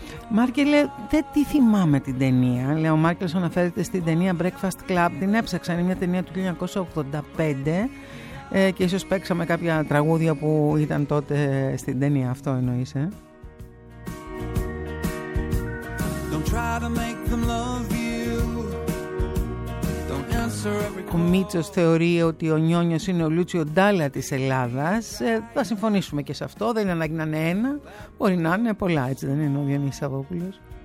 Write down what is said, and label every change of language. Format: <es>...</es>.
<el>Μάρκελε, δεν τη θυμάμαι την ταινία. Λέω, ο Μάρκελς αναφέρεται στην ταινία Breakfast Club. Την έψαξα, είναι μια ταινία του 1985 και ίσως παίξαμε κάποια τραγούδια που ήταν τότε στην ταινία. Αυτό εννοείς,</el> <en>Don't try to make them love you.</en> <el>Ο Μίτσος θεωρεί ότι ο Νιόνιος είναι ο Λούτσιο Ντάλα της Ελλάδας. Θα συμφωνήσουμε και σε αυτό. Δεν είναι ανάγκη να είναι ένα. Μπορεί να είναι πολλά, έτσι δεν είναι ο Διονύσης Σαββόπουλος?</el>